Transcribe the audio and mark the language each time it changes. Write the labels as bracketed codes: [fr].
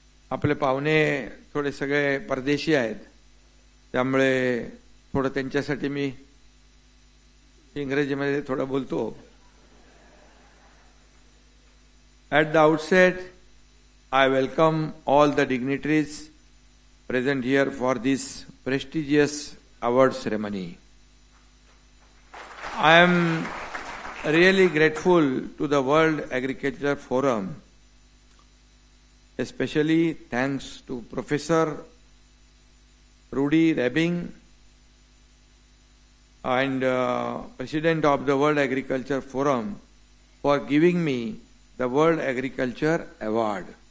[mr] आपले पाहुणे थोडे सगळे परदेशी आहेत त्यामुळे थोडं त्यांच्यासाठी मी इंग्रजीमध्ये थोडं बोलतो। [en] At the outset I welcome all the dignitaries present here for this prestigious award ceremony. I am really grateful to the World Agriculture Forum, especially thanks to professor Rudy Rebing and President of the World Agriculture Forum for giving me the World Agriculture Award.